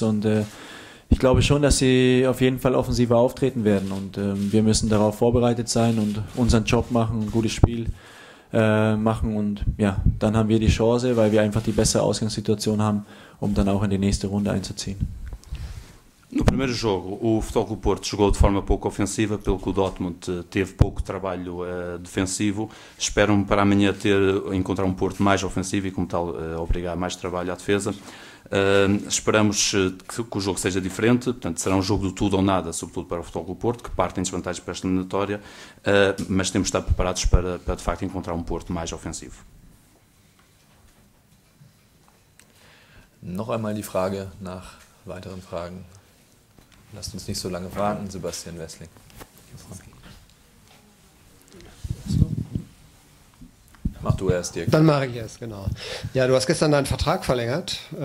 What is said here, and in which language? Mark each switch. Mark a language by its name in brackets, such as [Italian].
[German] Und ich glaube schon, dass sie auf jeden Fall offensiver auftreten werden. Und wir müssen darauf vorbereitet sein und unseren Job machen, ein gutes Spiel machen. Und ja, dann haben wir die Chance, weil wir einfach die bessere Ausgangssituation haben, um dann auch in die nächste Runde einzuziehen. [Portuguese] No primeiro jogo, o Futebol Clube Porto jogou de forma pouco ofensiva, pelo que o Dortmund teve pouco trabalho defensivo. Esperam para amanhã encontrar um Porto mais ofensivo e, como tal, obrigar mais trabalho à defesa. Esperamos que o jogo seja diferente, portanto, será um jogo de tudo ou nada, sobretudo para o Futebol Clube Porto, que parte em desvantagem para esta eliminatória, mas temos de estar preparados para de facto, encontrar um Porto mais ofensivo. [German] Noch einmal die Frage nach weiteren Fragen. Lasst uns nicht so lange warten, Sebastian Wessling. Mach du erst, Dirk. Dann mache ich erst, genau. Ja, du hast gestern deinen Vertrag verlängert.